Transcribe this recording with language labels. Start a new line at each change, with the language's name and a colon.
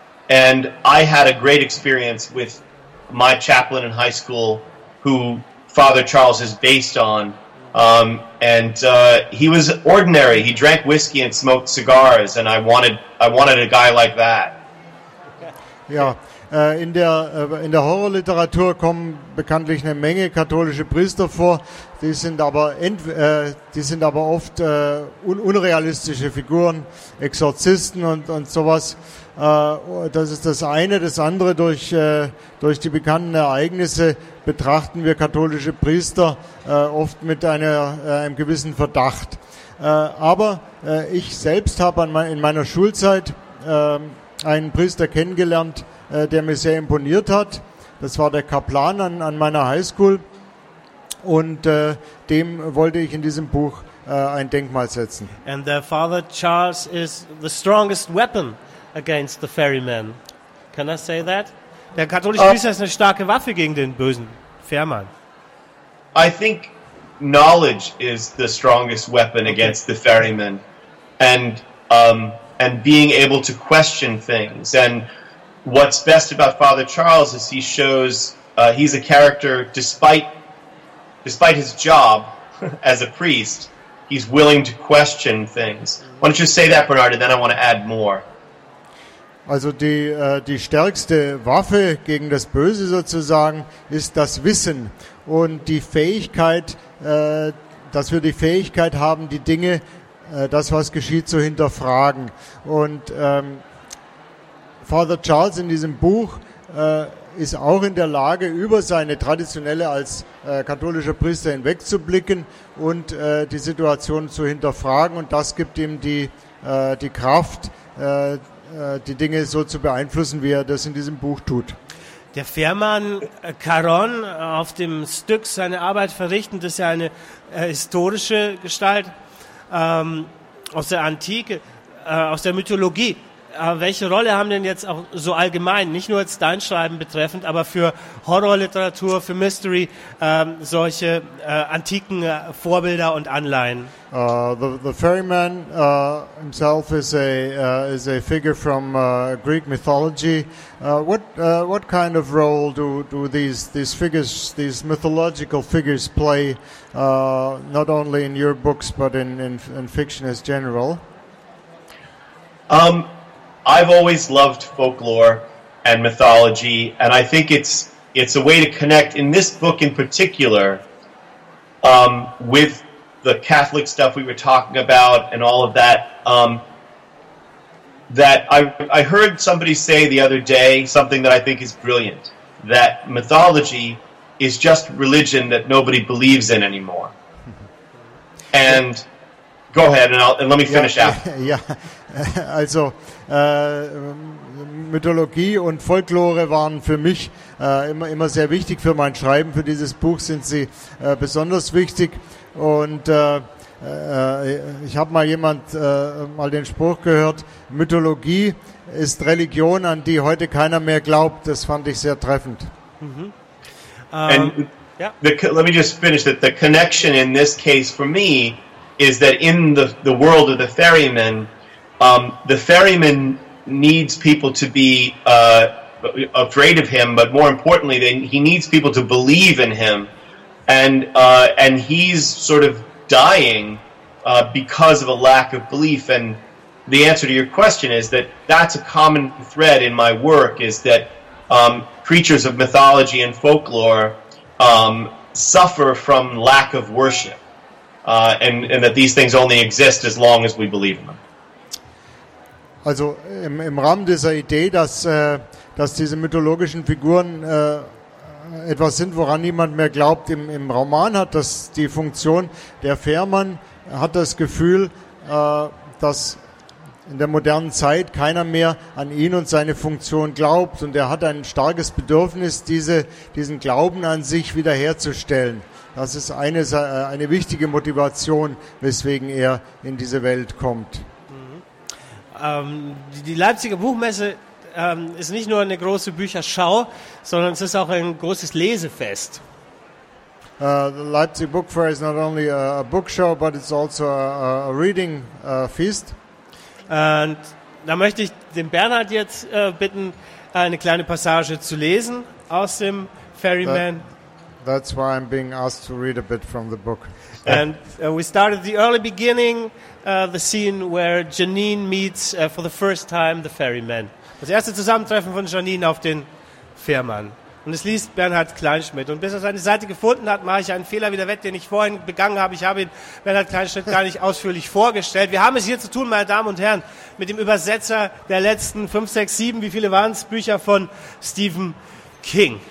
English: And I had a great experience with my chaplain in high school, who Father Charles is based on. He was ordinary. He drank whiskey and smoked cigars, and I wanted a guy like that. Yeah.
German: In der Horrorliteratur kommen bekanntlich eine Menge katholische Priester vor. Die sind aber oft unrealistische Figuren, Exorzisten und sowas. Das ist das eine. Das andere, durch die bekannten Ereignisse betrachten wir katholische Priester oft mit einem gewissen Verdacht. Aber ich selbst habe in meiner Schulzeit einen Priester kennengelernt, der mir sehr imponiert hat. Das war der Kaplan an meiner Highschool, und dem wollte ich in diesem Buch ein Denkmal setzen.
English: And the Father Charles is the strongest weapon against the ferryman. Can I say that?
German: Der katholische Priester ist eine starke Waffe gegen den bösen Fährmann.
English: I think knowledge is the strongest weapon against the ferryman, and being able to question things. And what's best about Father Charles is he shows he's a character, despite his job as a priest, he's willing to question things. Why don't you say that, Bernard, and then I want to add more.
German: Also die stärkste Waffe gegen das Böse sozusagen ist das Wissen und die Fähigkeit, dass wir die Fähigkeit haben, die Dinge, das, was geschieht, zu hinterfragen. Und Father Charles in diesem Buch ist auch in der Lage, über seine traditionelle als katholischer Priester hinwegzublicken und die Situation zu hinterfragen. Und das gibt ihm die Kraft, die Dinge so zu beeinflussen, wie er das in diesem Buch tut. Der Fährmann Caron auf dem Styx seine Arbeit verrichtend, das ist ja eine historische Gestalt aus der Antike, aus der Mythologie. Welche Rolle haben denn jetzt auch so allgemein, nicht nur jetzt dein Schreiben betreffend, aber für Horrorliteratur, für Mystery, solche antiken Vorbilder und Anleihen?
English: The ferryman himself is a figure from Greek mythology. What kind of role do these figures, these mythological figures, play not only in your books but in fiction as general? I've always loved folklore and mythology, and I think it's a way to connect, in this book in particular, with the Catholic stuff we were talking about and all of that. That I heard somebody say the other day something that I think is brilliant, that mythology is just religion that nobody believes in anymore. And go ahead, and let me finish out. Yeah.
German: Also, Mythologie und Folklore waren für mich immer sehr wichtig für mein Schreiben. Für dieses Buch sind sie besonders wichtig. Und ich habe mal mal den Spruch gehört, Mythologie ist Religion, an die heute keiner mehr glaubt. Das fand ich sehr treffend.
English: Mm-hmm. Let me just finish that. The connection in this case for me is that in the world of the ferryman, the ferryman needs people to be afraid of him, but more importantly, he needs people to believe in him, and he's sort of dying because of a lack of belief. And the answer to your question is that that's a common thread in my work, is that creatures of mythology and folklore suffer from lack of worship, and that these things only exist as long as we believe in them.
German: Also im Rahmen dieser Idee, dass diese mythologischen Figuren etwas sind, woran niemand mehr glaubt, im Roman hat das die Funktion, der Fährmann hat das Gefühl, dass in der modernen Zeit keiner mehr an ihn und seine Funktion glaubt, und er hat ein starkes Bedürfnis, diesen Glauben an sich wiederherzustellen. Das ist eine wichtige Motivation, weswegen er in diese Welt kommt. Die Leipziger Buchmesse ist nicht nur eine große Bücherschau, sondern es ist auch ein großes Lesefest.
English: The Leipzig Book Fair is not only a book show, but it's also a reading feast.
German: Und da möchte ich den Bernhard jetzt bitten, eine kleine Passage zu lesen aus dem Ferryman.
English: That's why I'm being asked to read a bit from the book. And we started the early beginning, the scene where Janine meets for the first time the ferryman.
German: Das erste Zusammentreffen von Janine auf den Fährmann. Und es liest Bernhard Kleinschmidt. Und bis er seine Seite gefunden hat, mache ich einen Fehler wieder wett, den ich vorhin begangen habe. Ich habe ihn Bernhard Kleinschmidt gar nicht ausführlich vorgestellt. Wir haben es hier zu tun, meine Damen und Herren, mit dem Übersetzer der letzten 5, 6, 7, wie viele waren es, Bücher von Stephen King.